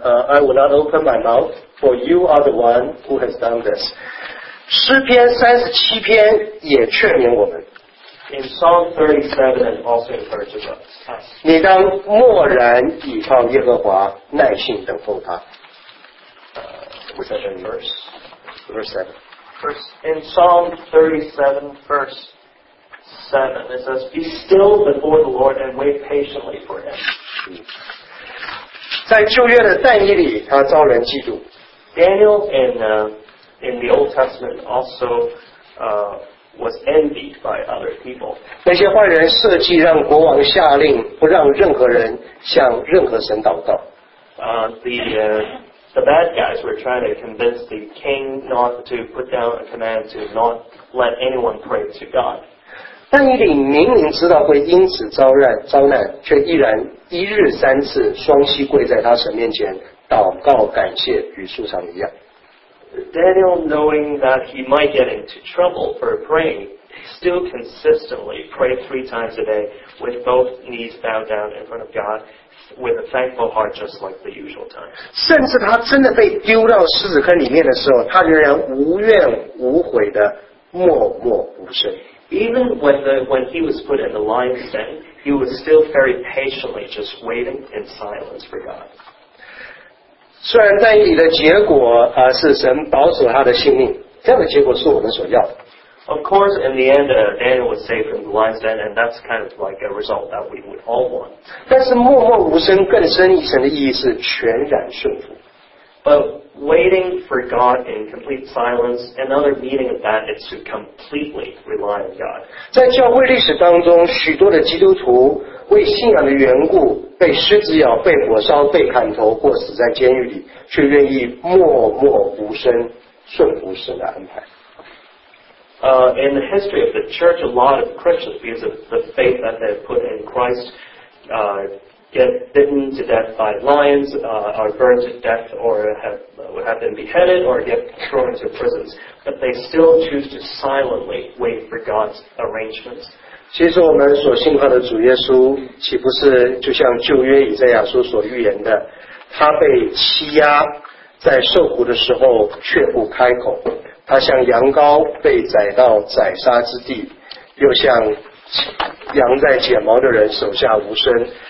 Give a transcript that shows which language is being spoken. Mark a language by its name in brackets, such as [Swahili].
[English] I will not open my mouth, for you are the one who has done this." [Chinese] 诗篇三十七篇也劝勉我们。 [English] In Psalm 37, and also encourages us. [Chinese] 你当默然倚靠耶和华，耐心等候他。 [English] What's that in verse? Verse 7. In Psalm 37, verse 7. It says, "Be still before the Lord and wait patiently for Him." [Chinese] 在旧约的但以理，他遭人嫉妒。 [English] Daniel in the Old Testament also was envied by other people. [Chinese] 那些坏人设计让国王下令不让任何人向任何神祷告。 [English] The bad guys were trying to convince the king not to put down a command to not let anyone pray to God. [Chinese] 但以理明明知道会因此遭难，却依然一日三次双膝跪在他神面前祷告感谢，与素常一样。 [English] Daniel, knowing that he might get into trouble for praying, still consistently prayed three times a day with both knees bowed down in front of God with a thankful heart, just like the usual time. [Chinese] 甚至他真的被丢到狮子坑里面的时候，他仍然无怨无悔的默默无声。 [English] Even when he was put in the lion's den, he was still very patiently just waiting in silence for God. [Chinese] 虽然在你的结果是神保守他的性命，这样的结果是我们所要的。 [English] Of course, in the end, Daniel was saved from the lion's den, and that's kind of like a result that we would all want. [Chinese] 但是默默无声更深一层的意义是全然顺服。 [English] But waiting for God in complete silence, another meaning of that is to completely rely on God. [Chinese] 在教会历史当中，许多的基督徒为信仰的缘故，被狮子咬、被火烧、被砍头，或死在监狱里，却愿意默默无声顺服神的安排。 [English] In the history of the church, a lot of Christians, because of the faith that they put in Christ, get bitten to death by lions, are burned to death, or have been beheaded, or get thrown into prisons. But they still choose to silently wait for God's arrangements. [Chinese] 其实我们所信靠的主耶稣，岂不是就像旧约以赛亚书所预言的，他被欺压，在受苦的时候却不开口。他像羊羔被宰到宰杀之地，又像羊在剪毛的人手下无声。